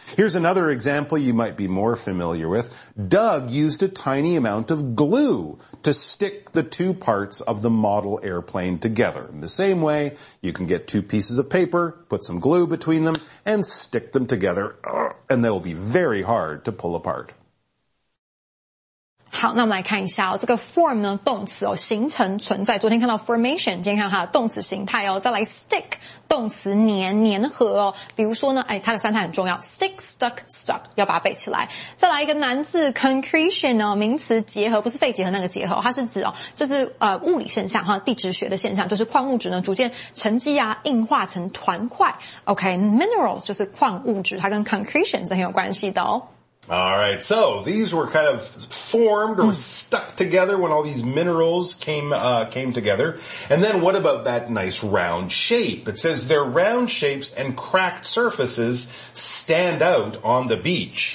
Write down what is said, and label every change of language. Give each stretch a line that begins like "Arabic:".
English: Here's another example you might be more familiar with. Doug used a tiny amount of glue to stick the two parts of the model airplane together. In the same way, you can get two pieces of paper, put some glue between them, and stick them together, and they'll be very hard to pull apart.
Chinese: 好，那我们来看一下哦，这个 form 呢，动词哦，形成、存在。昨天看到 formation， 今天看到它的动词形态哦。再来 stick， 动词粘、粘合哦。比如说呢，哎，它的三态很重要 ，
English: stick、stuck、stuck，
Chinese: 要把它背起来。再来一个难字 concretion 哦，名词结合，不是肺结合那个结合，它是指哦，就是物理现象哈，地质学的现象，就是矿物质呢逐渐沉积啊，硬化成团块。 OK，minerals 就是矿物质，它跟 concretion 是很有关系的哦。
English: Alright, so these were kind of formed or stuck together when all these minerals came together. And then what about that nice round shape? It says their round shapes and cracked surfaces stand out on the beach.